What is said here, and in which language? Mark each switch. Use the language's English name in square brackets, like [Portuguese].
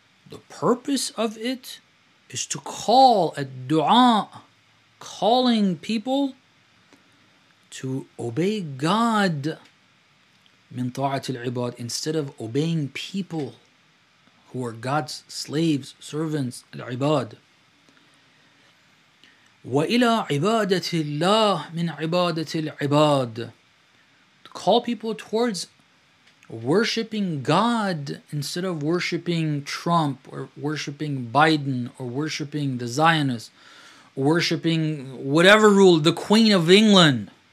[English] The purpose of it is to call, الدعاء, calling people to obey God, [Arabic] من طاعة العباد, [English] instead of obeying people who are God's slaves, servants, العباد. [Arabic] وإلى عبادة الله من عبادة العباد. [English] To call people towards worshipping God instead of worshipping Trump or worshipping Biden or worshipping the Zionists, worshipping whatever ruled, the Queen of England.